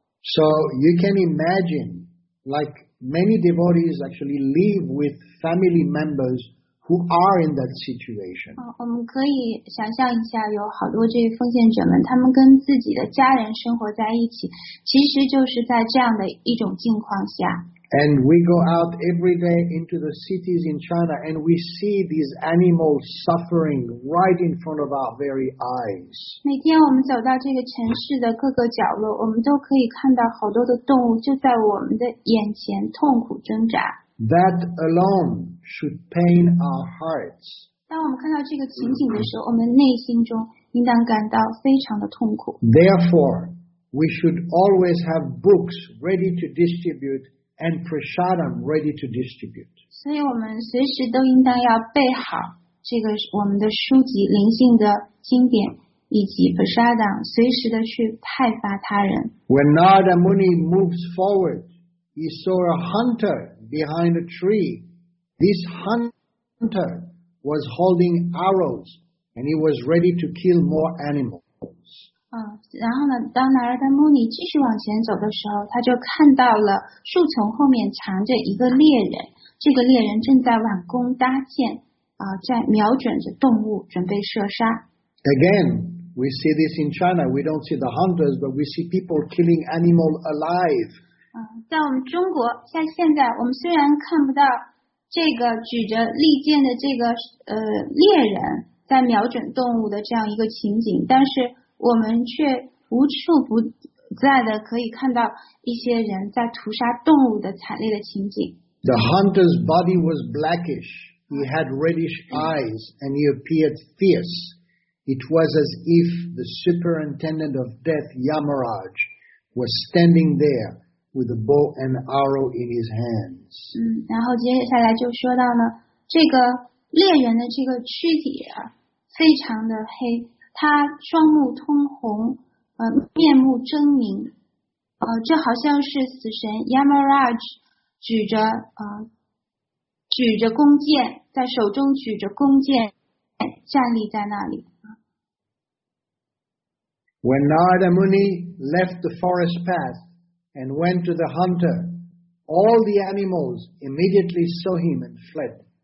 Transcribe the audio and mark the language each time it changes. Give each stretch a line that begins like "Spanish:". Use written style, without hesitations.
English: So you can imagine, like many devotees actually live with family members who are in that situation.
Chinese: 我们可以想象一下，有好多这些奉献者们，他们跟自己的家人生活在一起，其实就是在这样的一种境况下。
English: And we go out every day into the cities in China, and we see these animals suffering right in front of our very eyes.
Chinese: 每天我们走到这个城市的各个角落，我们都可以看到好多的动物就在我们的眼前痛苦挣扎。
English: That alone should pain our hearts.
Chinese: 当我们看到这个情景的时候，我们内心中应当感到非常的痛苦。
English: Therefore, we should always have books ready to distribute. And prasadam ready to distribute.
Chinese: 所以我们随时都应当要备好这个我们的书籍、灵性的经典以及 prasadam， 随时的去派发他人。
English: When Narada Muni moves forward, he saw a hunter behind a tree. This hunter was holding arrows, and he was ready to kill more animals.
Chinese: 然后呢，当纳尔达穆尼继续往前走的时候，他就看到了树丛后面藏着一个猎人，这个猎人正在挽弓搭箭，在瞄准着动物准备射杀。
English: Again, we see this in China. We don't see the hunters, but we see people killing animals alive.
Chinese: 在我们中国，像现在我们虽然看不到这个举着利剑的这个猎人在瞄准动物的这样一个情景，但是我们却无处不在的可以看到一些人在屠杀动物的惨烈的情景。
English: The hunter's body was blackish. He had reddish eyes and he appeared fierce. It was as if the superintendent of death, Yamaraj, was standing there with a bow and arrow in his hands.
Chinese: 然后接下来就说到呢，这个猎人的这个躯体非常的黑。他双目通红，面目狰狞，这好像是死神 Yamaraj 举着弓箭，在手中举着弓箭站立在那里。
English: When Narada Muni left the forest path and went to the hunter, all the animals immediately saw him and fled.